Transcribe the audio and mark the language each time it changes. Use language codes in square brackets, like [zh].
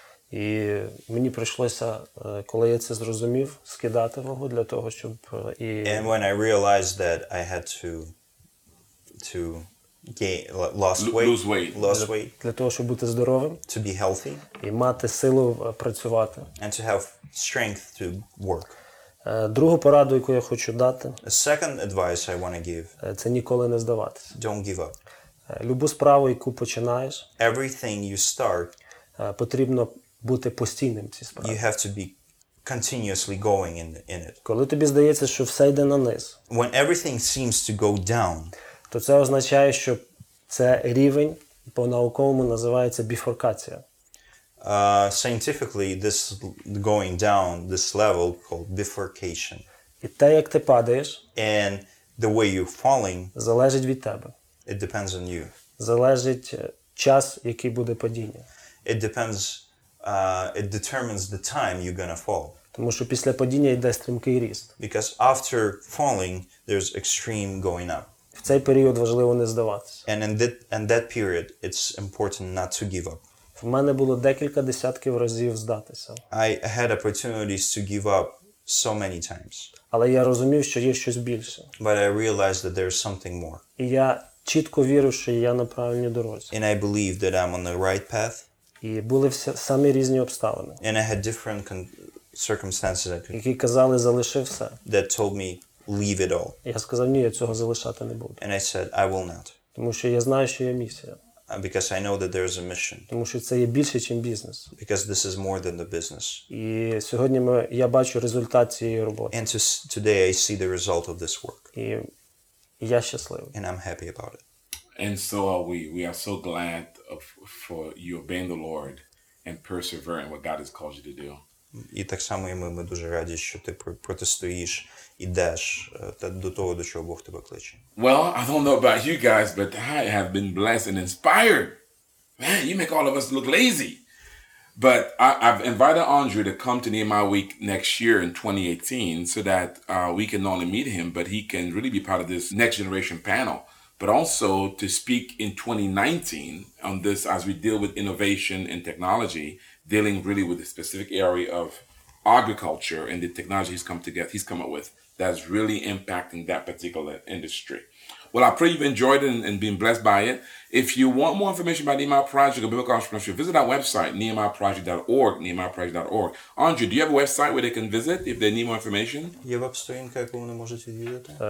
[uk] І мені прийшлося, коли я це зрозумів, скидати вагу для того, щоб і [en] And when I realized that I had to gain lost weight [uk] для того, щоб бути здоровим, [en] to be healthy, [uk] і мати силу працювати, [en] and to have strength to work. [uk] Другу пораду, яку я хочу дати, [en] a second advice I want to give, [uk] це ніколи не здаватися. [en] Don't give up. [uk] Любу справу, яку починаєш, [en] everything you start, [uk] потрібно бути постійним в цій справі. [en] You have to be continuously going in it. [uk] Коли тобі здається, що все йде наниз, [en] when everything seems to go down, [uk] то це означає, що це рівень по-науковому називається біфуркація. [en] Scientifically, this going down, this level called bifurcation. [uk] І те, як ти падаєш, [en] and the way you're falling, [uk] залежить від тебе. [en] It depends on you. [uk] Залежить час, який буде падіння. [en] It depends, it determines the time you're gonna fall. [uk] Тому що після падіння йде стрімкий ріст. [en] Because after falling, there's extreme going up. [uk] В цей період важливо не здаватися. [en] And in that period, it's important not to give up. [uk] У мене було декілька десятків разів здатися. [en] I had opportunities to give up so many times. [uk] Але я розумів, що є щось більше. [en] But I realized that there's something more. [uk] І я чітко вірив, що я на правильній дорозі. [en] And I believe that I'm on the right path. [uk] І були самі різні обставини. [en] And I had different circumstances. [uk] Які казали, залиши все. [en] That told me, leave it all. [uk] Я сказав, ні, я цього залишати не буду. [en] And I said, I will not. [uk] Тому що я знаю, що є місія. [en] Because I know that there is a mission. [uk] Тому що це є більше, ніж бізнес. [en] Because this is more than the business. [uk] І сьогодні я бачу результат цієї роботи. [en] And today I see the result of this work. [uk] І я щасливий. [en] And I'm happy about it. And so are we. We are so glad for you obeying the Lord and persevering what God has called you to do. [uk] І так само і ми дуже раді, що ти протистоїш, ідеш до того, до чого Бог тебе кличе. [en] Well, I don't know about you guys, but I have been blessed and inspired. Man, you make all of us look lazy. But I've invited Andrew to come to Nehemiah Week next year in 2018 so that we can not only meet him, but he can really be part of this next generation panel. But also to speak in 2019 on this as we deal with innovation and technology, dealing really with the specific area of agriculture and the technology he's come up with that's really impacting that particular industry. Well, I pray you've enjoyed it and been blessed by it. If you want more information about Nehemiah Project or Biblical Entrepreneurship, visit our website, nehemiahproject.org, nehemiahproject.org. Andrew, do you have a website where they can visit if they need more information? [uk] Є веб-сторінка, яку вони можуть відвідати?